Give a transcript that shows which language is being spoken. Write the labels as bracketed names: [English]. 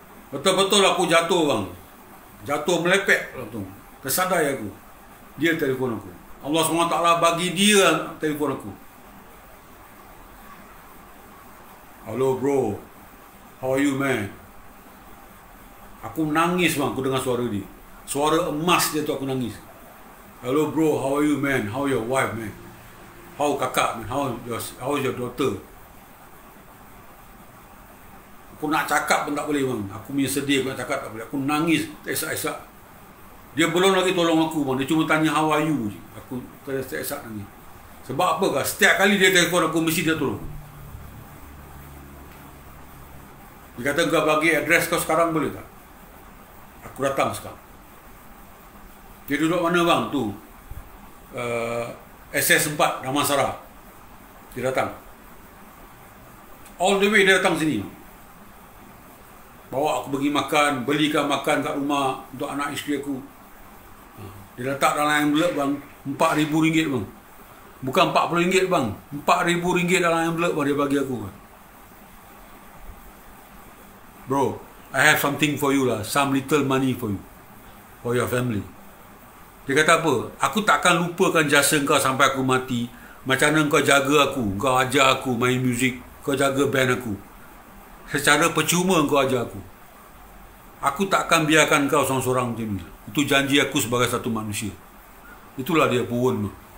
[Malay] Betul-betul aku jatuh, bang. Jatuh melepek lah tu. Tersadai aku. Dia telefon aku. Allah SWT bagi dia telefon aku. [English] "Hello bro. How are you, man?" [Malay] Aku nangis, bang, aku dengar suara dia. Suara emas dia tu aku nangis. [English] "Hello bro, how are you, man? How are your wife, man? How kakak, man? How is your daughter? [Malay] aku nak cakap pun tak boleh bang. Aku punya sedih, aku nak cakap tak boleh. Aku nangis, esak-esak. Dia belum lagi tolong aku bang. Dia cuma tanya [English] how are you [Malay] je. Aku esak-esak nangis. Sebab apa kah? Setiap kali dia telefon aku, mesti dia tolong. Dia kata, kau bagi address kau sekarang boleh tak? Aku datang sekarang. Dia duduk mana bang? Tu. SS4, Damansara. Dia datang. [English] All the way [Malay] dia datang sini. Bawa aku pergi makan, belikan makan kat rumah untuk anak isteri aku. Dia letak dalam envelope bang, RM4,000 bang. Bukan RM40 bang, RM4,000 dalam envelope bang dia bagi aku. [English] Bro, I have something for you lah, some little money for you, for your family. [Malay] Dia kata apa? Aku takkan lupakan jasa kau sampai aku mati. Macam mana kau jaga aku, kau ajar aku main muzik, kau jaga band aku. Secara percuma kau ajar aku. Aku takkan biarkan kau seorang-seorang macam ni. Itu janji aku sebagai satu manusia. Itulah dia puan.